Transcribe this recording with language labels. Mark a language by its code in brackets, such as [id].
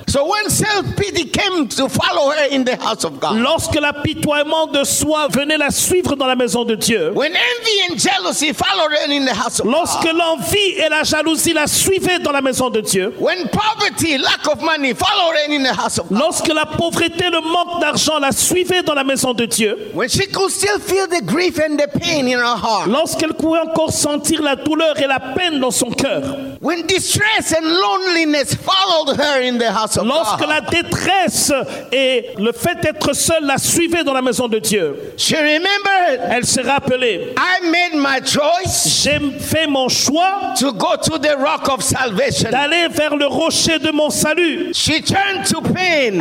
[en] So when self-pity came to follow her in the house of God. [fr] Lorsque l'apitoiement de soi venait la suivre dans la maison de Dieu. [en] When envy and jealousy followed her in the house of God. [fr] Lorsque l'envie et la jalousie la suivaient dans la maison de Dieu. [en] When poverty, lack of money followed her in the house of God. [fr] Lorsque la pauvreté, le manque d'argent la suivaient dans la maison de Dieu. [en] When she could still feel the grief and the pain in her heart. [fr] Lorsqu'elle pouvait encore sentir la douleur et la peine dans son cœur. [en] When distress and loneliness followed her in the house of God. [fr] Lorsque la détresse et le fait d'être seule la suivaient dans la maison de Dieu. [en] She remembered. [fr] Elle s'est rappelée. [en] I made my choice. [fr] J'ai fait mon choix. [en] To go to the rock of salvation. [fr] D'aller vers le rocher de mon salut. [en] She turned to pain.